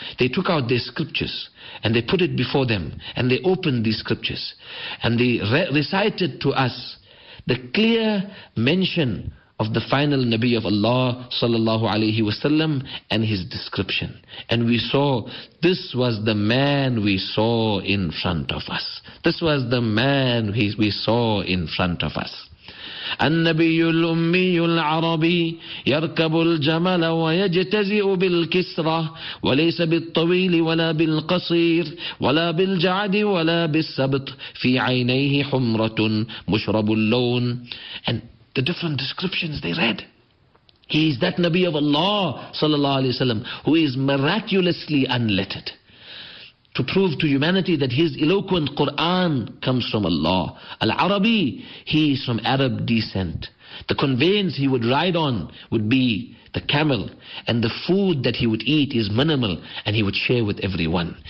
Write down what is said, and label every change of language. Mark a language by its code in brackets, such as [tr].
[en] They took out their scriptures, and they put it before them, and they opened these scriptures, and they recited to us the clear mention of the final Nabi of Allah sallallahu alayhi wa sallam and his description. And we saw, this was the man we saw in front of us. This was the man we saw in front of us. [ar] النبي الأمي العربي يركب الجمل ويجتزئ بالكسرة، وليس بالطويل ولا بالقصير ولا بالجعد ولا بالسبط، في عينيه حمرة مشرب اللون. [en] And the different descriptions they read. He is that Nabi of Allah صلى الله عليه وسلم who is miraculously unlettered. To prove to humanity that his eloquent Quran comes from Allah. Al-Arabi, he is from Arab descent. The conveyance he would ride on would be the camel, and the food that he would eat is minimal and he would share with everyone.